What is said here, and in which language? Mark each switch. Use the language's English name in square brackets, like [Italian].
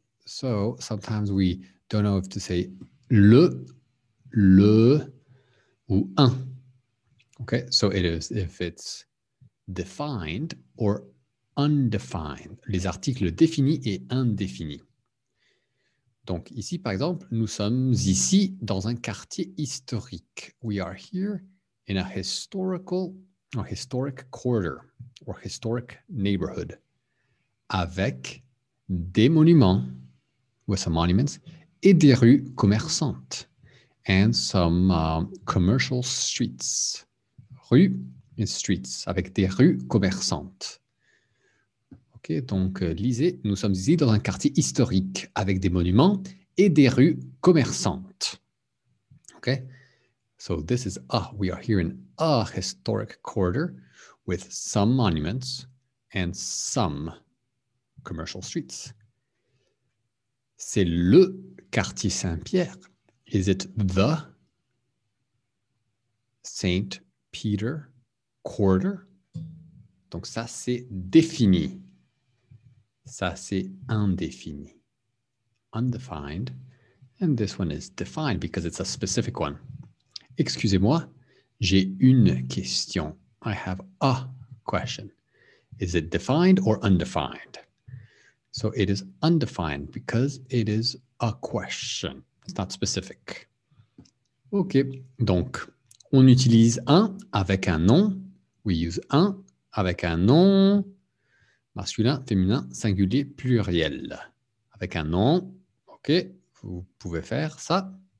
[English] So, sometimes we don't know if to say le ou un. Okay, so it is if it's defined or undefined. [French] Les articles définis et indéfinis. Donc ici, par exemple, nous sommes ici dans un quartier historique. [English] We are here in a historical or historic quarter or historic neighborhood [French] avec des monuments, [English] with some monuments, [French] et des rues commerçantes [English] and some commercial streets. [French] Rue, [English] streets, [French] avec des rues commerçantes. Ok, donc lisez, nous sommes ici dans un quartier historique avec des monuments et des rues commerçantes. [English] Ok, so this is we are here in a historic quarter with some monuments and some commercial streets. [French] C'est le quartier Saint-Pierre. [English] Is it the Saint Peter Quarter? [French] Donc ça, c'est défini. Ça, c'est indéfini. Undefined. [English] And this one is defined because it's a specific one. [French] Excusez-moi, j'ai une question. [English] I have a question. Is it defined or undefined? So it is undefined because it is a question. It's not specific. [French] OK, donc on utilise un avec un nom. [English] We use [French] un avec un nom masculin, féminin, singulier, pluriel. Avec un nom, OK, vous pouvez faire ça.